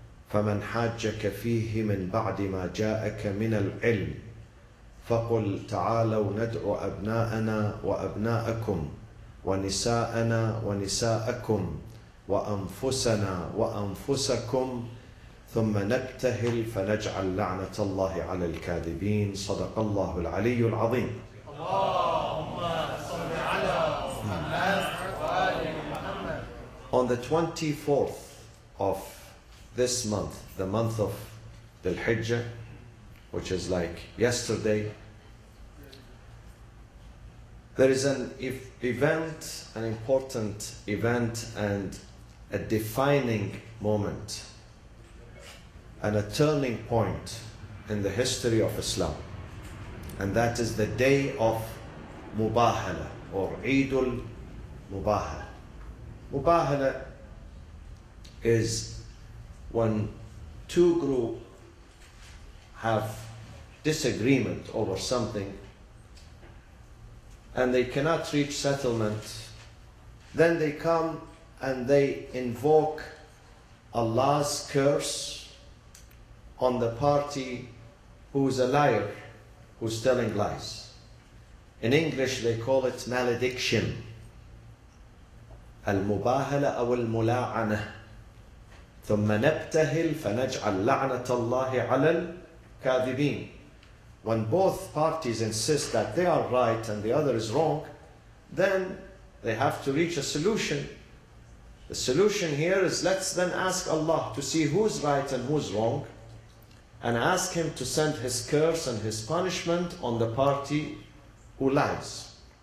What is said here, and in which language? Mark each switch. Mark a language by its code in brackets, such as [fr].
[ar] فمن حاجك فيه من بعد ما جاءك من العلم فقل تعالوا ندع أبناءنا وأبناءكم ونساءنا ونساءكم وأنفسنا وأنفسكم ثم نبتهل فنجعل لعنة الله على الكاذبين. صدق الله العلي العظيم. اللهم صل على محمد وآل محمد. [en] On the 24th of this month, the month of Dhul Hijjah, which is like yesterday, there is an event, an important event and a defining moment and a turning point in the history of Islam, and that is the day of Mubahala or Eid al-Mubahala. Mubahala is when two groups have disagreement over something and they cannot reach settlement, then they come and they invoke Allah's curse on the party who is a liar, who is telling lies. In English they call it malediction. [ar] المباهلة أو الملاعنة. ثم نبتهل فنجعل لعنة الله على الكاذبين. [en] When both parties insist that they are right and the other is wrong, then they have to reach a solution. The solution here is, let's then ask Allah to see who's right and who's wrong, and ask him to send his curse and his punishment on the party who lies.